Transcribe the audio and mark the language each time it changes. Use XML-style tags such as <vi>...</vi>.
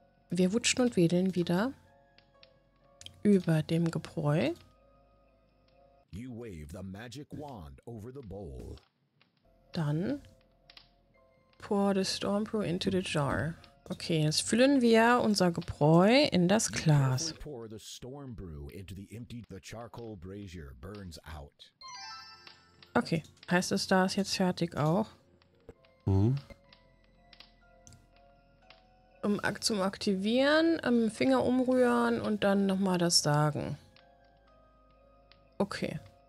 <de>Wir wutschen und wedeln wieder über dem Gebräu.</de> <en>You wave the magic wand over the bowl. Dann pour the storm brew into the jar.</en> <de>Okay, jetzt füllen wir unser Gebräu in das Glas.</de> <en>Pour the storm brew into the empty, the charcoal brazier burns out.</en> <de>Okay, heißt es, da ist jetzt fertig auch? Mhm. Zum Aktivieren, Finger umrühren und dann nochmal das sagen. Okay.</de>